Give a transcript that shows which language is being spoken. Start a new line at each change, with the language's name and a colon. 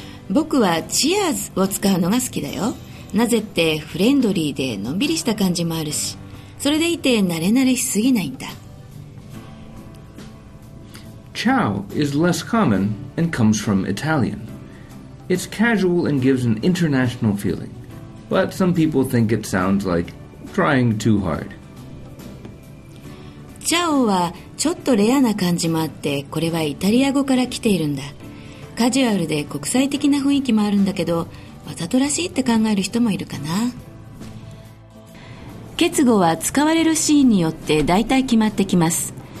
Japanese: 僕はチアーズを使うのが好きだよ。なぜってフレンドリーでのんびりした感じもあるし、それでいて慣れ慣れしすぎないんだ。
English: チャオ is less common and comes from Italian. It's casual and gives an international feeling. But some people think it sounds like trying too hard.
Japanese: チャオはちょっとレアな感じもあって、これはイタリア語から来ているんだ。カジュアルで国際的な雰囲気もあるんだけど、わざとらしいって考える人もいるかな。結語は使われるシーンによってだいたい決まってきます。